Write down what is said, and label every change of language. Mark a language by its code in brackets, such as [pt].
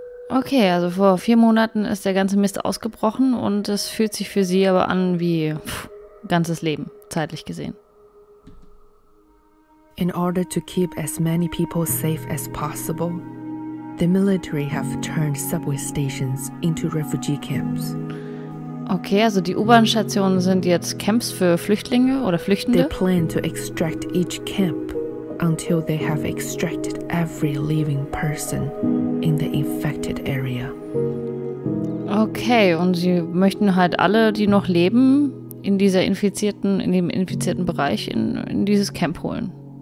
[de] Okay, also vor 4 Monaten ist der ganze Mist ausgebrochen und es fühlt sich für sie aber an wie ganzes Leben, zeitlich gesehen. [en] In order to keep as many people safe as possible, the military have turned subway stations into refugee camps. [de] Okay, also die U-Bahn-Stationen sind jetzt Camps für Flüchtlinge oder Flüchtende. [en] They plan to extract each camp until they have extracted every living person in the infected area. [de] Okay, und sie möchten halt alle, die noch leben, in dem infizierten Bereich in dieses Camp holen.